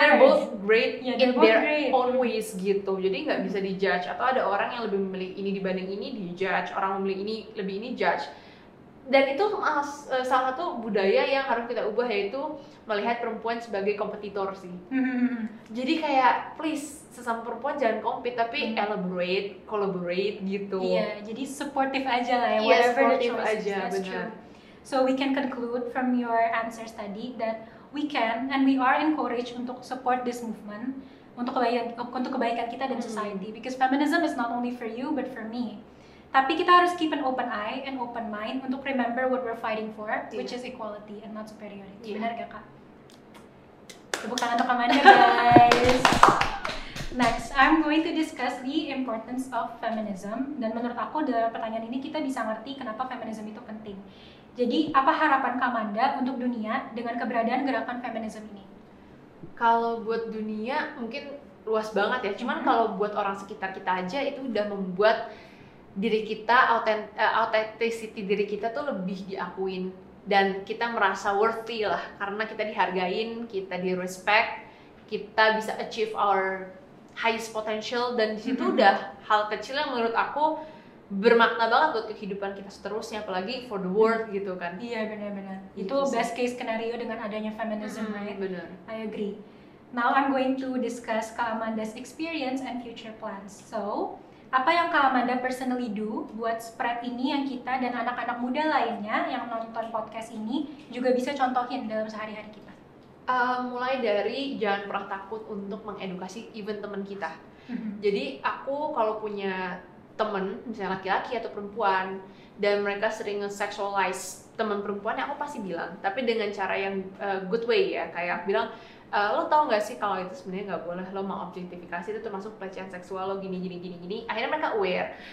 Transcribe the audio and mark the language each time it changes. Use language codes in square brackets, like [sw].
[en] They're both great in both their great own ways gitu. [id] Jadi enggak bisa dijudge, atau ada orang yang lebih memilih ini dibanding ini dijudge, orang memilih ini lebih ini judge. Dan itu salah satu budaya yang harus kita ubah, yaitu melihat perempuan sebagai kompetitor sih. Jadi kayak, please, sesama perempuan jangan compete, tapi elaborate, collaborate gitu. Iya, jadi supportive aja lah ya, [en] whatever supportive the choice aja, is, that's true. So we can conclude from your answers tadi that we can and we are encouraged untuk support this movement [id] untuk kebaikan kita dan [en] society, because feminism is not only for you, but for me. [id] Tapi kita harus [en] keep an open eye and open mind untuk remember what we're fighting for, which is equality and not superiority. [id] Benar gak kak? Tepuk tangan untuk Kamanda guys. [en] Next, I'm going to discuss the importance of feminism. [id] Dan menurut aku dalam pertanyaan ini kita bisa ngerti kenapa feminism itu penting. Jadi apa harapan Kamanda untuk dunia dengan keberadaan gerakan feminism ini? Kalau buat dunia mungkin luas banget ya. Cuman kalau buat orang sekitar kita aja itu udah membuat diri kita, authenticity diri kita tuh lebih diakuin dan kita merasa worthy lah, karena kita dihargain, kita di respect, kita bisa [en] achieve our highest potential, [id] dan di situ udah hal kecil yang menurut aku bermakna banget buat kehidupan kita seterusnya, apalagi [en] for the world [id] gitu kan. Iya benar-benar. Yes. Itu best case scenario dengan adanya feminism, right? Benar. [en] I agree. Now I'm going to discuss Kak Amanda's experience and future plans. [id] So, apa yang Kak Amanda [en] personally do [id] buat spread ini yang kita dan anak-anak muda lainnya yang nonton podcast ini juga bisa contohin dalam sehari-hari kita? Mulai dari jangan pernah takut untuk mengedukasi even teman kita. Jadi aku kalau punya teman misalnya laki-laki atau perempuan dan mereka sering nge-sexualize teman perempuannya, aku pasti bilang, tapi dengan cara yang good way ya, kayak bilang, lo tau gak sih kalau itu sebenarnya nggak boleh, lo mau objektifikasi itu termasuk pelecehan seksual, lo gini, akhirnya mereka aware.